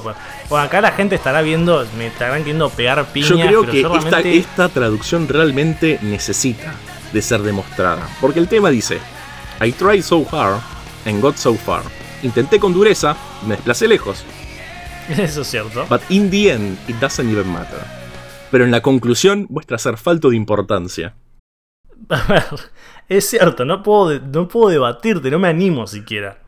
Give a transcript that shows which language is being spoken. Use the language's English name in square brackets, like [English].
[Spanish] Bueno, acá la gente estará viendo, me estarán queriendo pegar piñas. Yo creo que yo realmente esta traducción realmente necesita de ser demostrada. Porque el tema dice: [English] I tried so hard and got so far. [Spanish] Intenté con dureza y me desplacé lejos. Eso es cierto. [English] But in the end, it doesn't even matter. [Spanish] Pero en la conclusión muestra ser falto de importancia. A ver, es cierto, no puedo debatirte, no me animo siquiera.